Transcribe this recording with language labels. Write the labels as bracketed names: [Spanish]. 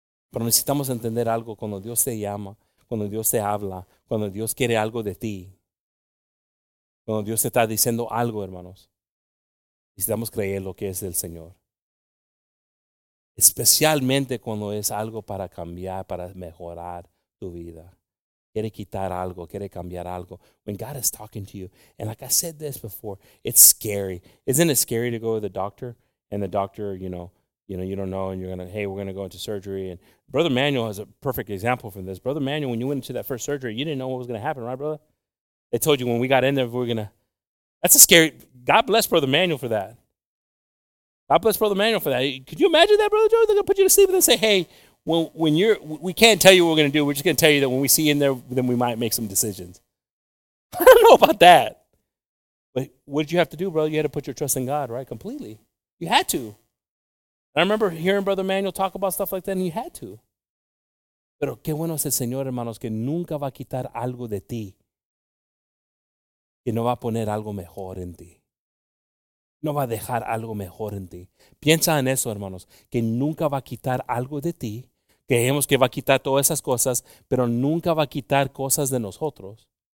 [Spanish] Pero necesitamos entender algo. Cuando Dios te llama, cuando Dios te habla, cuando Dios quiere algo de ti, cuando Dios te está diciendo algo, hermanos, necesitamos creer lo que es del Señor. Especialmente cuando es algo para cambiar, para mejorar tu vida. Quiere quitar algo, quiere cambiar algo. [English] When God is talking to you, and like I said this before, it's scary. Isn't it scary to go to the doctor and the doctor, you know, you don't know, and you're going to, hey, we're going to go into surgery. And Brother Manuel has a perfect example from this. Brother Manuel, when you went into that first surgery, you didn't know what was going to happen, right, brother? They told you when we got in there, that's a scary, God bless Brother Manuel for that. God bless Brother Manuel for that. Could you imagine that, Brother Joe? They're going to put you to sleep and then say, hey, we can't tell you what we're going to do. We're just going to tell you that when we see you in there, then we might make some decisions. I don't know about that. But what did you have to do, brother? You had to put your trust in God, right? Completely. You had to. I remember hearing Brother Manuel talk about stuff like that, and you had to. [Spanish] Pero qué bueno es el Señor, hermanos, que nunca va a quitar algo de ti. Que no va a poner algo mejor en ti. No va a dejar algo mejor en ti. Piensa en eso, hermanos, que nunca va a quitar algo de ti. Creemos que va a quitar todas esas cosas, pero nunca va a quitar cosas de nosotros.